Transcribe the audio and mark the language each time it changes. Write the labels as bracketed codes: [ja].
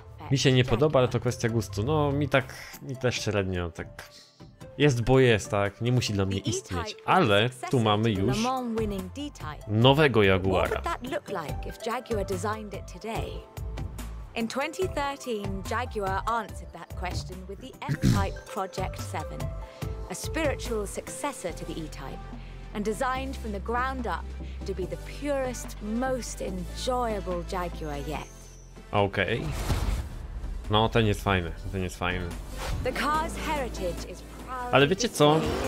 [pl] Mi się nie podoba, ale to kwestia gustu. No, mi też średnio tak. Jest, bo jest, tak? Nie musi dla mnie istnieć. Ale tu mamy już nowego Jaguara. [en] What would that look like if Jaguar designed it today? In 2013, Jaguar answered that question with the F-Type Project 7, a spiritual successor to the E-Type, and designed from the ground up to be the purest, most enjoyable Jaguar yet. Okay. [pl] No, ten jest fajny, ten jest fajny. [en] The car's heritage is. [pl] Ale wiecie co?